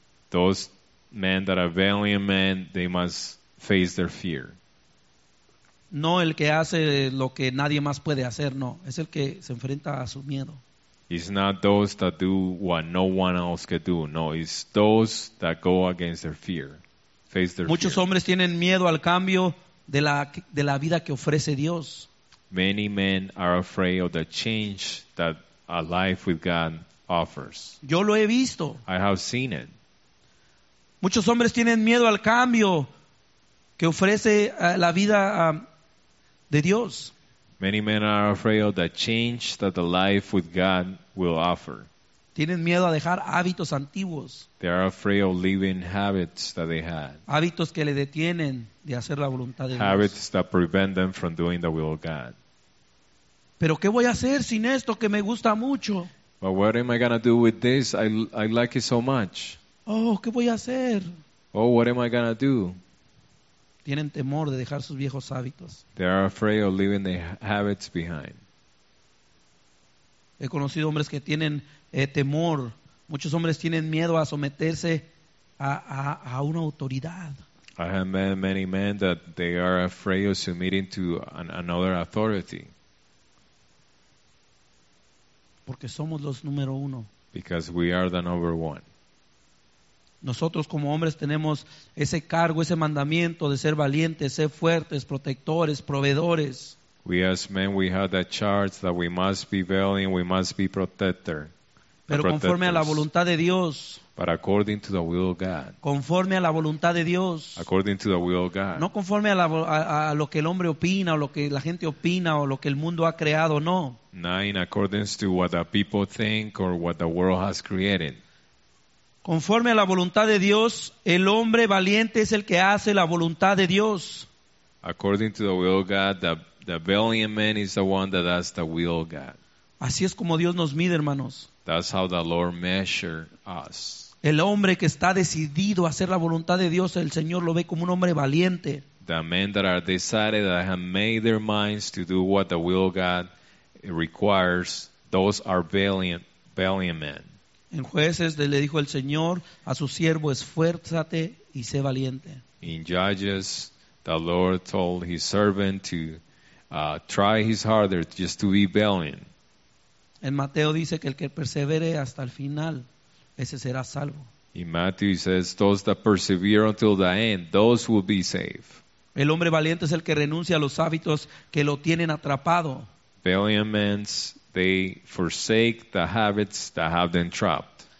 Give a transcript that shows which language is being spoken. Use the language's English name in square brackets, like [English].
[English] Those men that are valiant men, they must face their fear. [Spanish] No el que hace lo que nadie más puede hacer, no. Es el que se enfrenta a su miedo. [English] It's not those that do what no one else can do. No, it's those that go against their fear. Face their [Spanish] Muchos [English] fear. [Spanish] Hombres tienen miedo al cambio de la vida que ofrece Dios. [English] Many men are afraid of the change that a life with God offers. [Spanish] Yo lo he visto. [English] I have seen it. [Spanish] Muchos hombres tienen miedo al cambio que ofrece la vida de Dios. [English] Many men are afraid of the change that the life with God will offer. [Spanish] Tienen miedo a dejar hábitos antiguos. [English] They are afraid of leaving habits that they had. [Spanish] Hábitos que le detienen de hacer la voluntad de [English] habits That prevent them from doing the will of God. [Spanish] Pero ¿qué voy a hacer sin esto que me gusta mucho? [English] But what am I gonna do with this? I like it so much. [Spanish] Oh, ¿qué voy a hacer? [English] Oh, what am I gonna do? [Spanish] Tienen temor de dejar sus viejos hábitos. [English] They are afraid of leaving their habits behind. [Spanish] He conocido hombres que tienen temor. Muchos hombres tienen miedo a someterse a una autoridad. [English] I have met many men that they are afraid of submitting to another authority. [Spanish] Porque somos los número uno. [English] Because we are the number one. [Spanish] Nosotros como hombres tenemos ese cargo, ese mandamiento de ser valientes, ser fuertes, protectores, proveedores. [English] We as men, we have that charge that we must be valiant, we must be protector. [Spanish] Pero conforme a la voluntad de Dios. [English] But according to the will of God. [Spanish] Conforme a la voluntad de Dios. [English] According to the will of God. [Spanish] No conforme a lo que el hombre opina o lo que la gente opina o lo que el mundo ha creado, no. [English] Not in accordance to what the people think or what the world has created. [Spanish] Conforme a la voluntad de Dios, el hombre valiente es el que hace la voluntad de Dios. [English] According to the will of God, the valiant man is the one that does the will of God. [Spanish] Así es como Dios nos mide, hermanos. [English] That's how the Lord measures us. [Spanish] El hombre que está decidido a hacer la voluntad de Dios, el Señor lo ve como un hombre valiente. [English] The men that are decided, that have made their minds to do what the will of God requires, those are valiant men. [Spanish] En Jueces le dijo el Señor a su siervo, esfuérzate y sé valiente. [English] In Judges, the Lord told his servant to try his harder, just to be valiant. [Spanish] En Mateo dice que el que persevere hasta el final, ese será salvo. [English] In Matthew he says, those that persevere until the end, those will be saved. [Spanish] El hombre valiente es el que renuncia a los hábitos que lo tienen atrapado. [English] Valiant men, they forsake the habits that have them trapped.